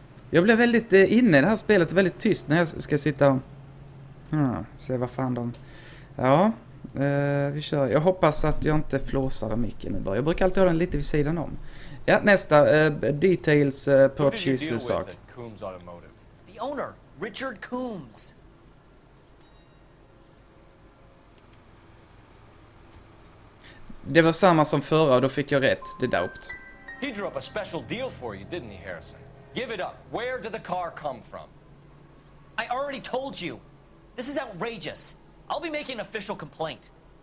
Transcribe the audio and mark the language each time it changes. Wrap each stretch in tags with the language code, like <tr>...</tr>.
<sv>Jag blev väldigt inne i det här spelet, väldigt tyst när jag ska sitta och... se vad fan de... Ja... vi kör. Jag hoppas att jag inte flåsar micken nu bara. Jag brukar alltid ha den lite vid sidan om. Ja, nästa</sv> <en>details purchase</en> <sv>sak.</sv> <en>Coombs Automotive. The owner, Richard Coombs.</en> <sv>Det var samma som förra och då fick jag rätt. Det doubt.</sv> <en>He drew up a special deal for you, didn't he, Harrison? Give it up. Where did the car come from? I already told you. This is outrageous. I'll be making an official complaint.</en>